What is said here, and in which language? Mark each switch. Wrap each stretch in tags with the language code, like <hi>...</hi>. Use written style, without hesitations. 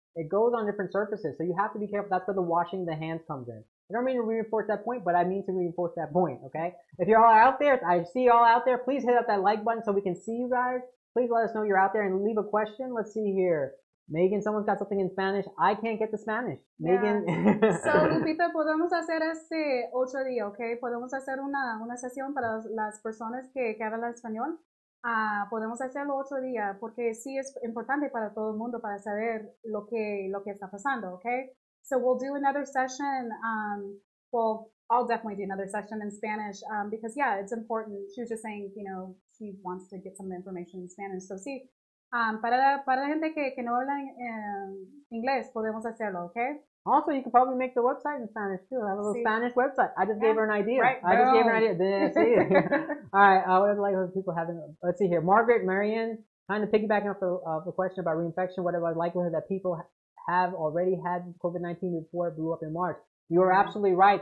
<en>It goes on different surfaces. So you have to be careful. That's where the washing the hands comes in. I don't mean to reinforce that point, but I mean to reinforce that point, okay? If you're all out there, I see you all out there, please hit up that like button so we can see you guys. Please let us know you're out there and leave a question. Let's see here. Megan, someone's got something in Spanish. I can't get the Spanish. Yeah. Megan.</en> <es>So, Lupita, podemos hacer este otro día, okay? Podemos hacer una sesión para las personas que hablan español. Podemos hacerlo otro día porque sí es importante para todo el mundo para saber lo que está pasando, okay?</es> <en>So we'll do another session. Well, I'll definitely do another session in Spanish because, yeah, it's important. She was just saying, you know, she wants to get some information in Spanish.</en> <es>So sí, para la gente que no habla inglés, podemos hacerlo, okay?</es> <en>Also, you can probably make the website in Spanish too. I have a little Spanish website. I just gave her an idea. Right, I just gave her an idea. Then I see it. All right. I would like other people having. Let's see here. Margaret, Marianne, kind of piggybacking off the question about reinfection. What about likelihood that people have already had COVID-19 before it blew up in March? You are absolutely right.</en>